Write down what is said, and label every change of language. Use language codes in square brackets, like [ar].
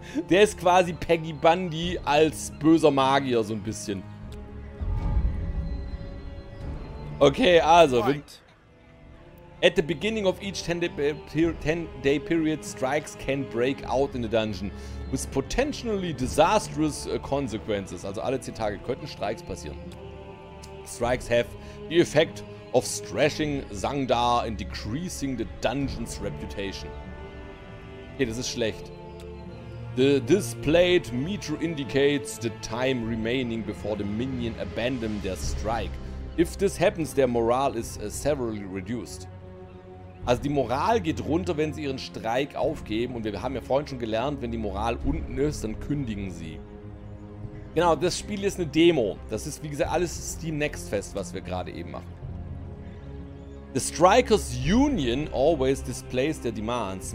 [de] Der ist quasi Peggy Bundy als böser Magier, so ein bisschen. Okay, also. [en] Right. At the beginning of each 10-day period, strikes can break out in the dungeon with potentially disastrous consequences. [de] Also alle 10 Tage könnten Strikes passieren. [en] Strikes have the effect of thrashing Zangdar and decreasing the dungeon's reputation. [de] Okay, das ist schlecht. [en] The displayed meter indicates the time remaining before the minion abandon their strike. If this happens, their morale is severely reduced. [de] Also die Moral geht runter, wenn sie ihren Streik aufgeben. Und wir haben ja vorhin schon gelernt, wenn die Moral unten ist, dann kündigen sie. Genau, das Spiel ist eine Demo. Das ist, wie gesagt, alles Steam Next Fest, was wir gerade eben machen. [en] The Strikers Union always displays their demands.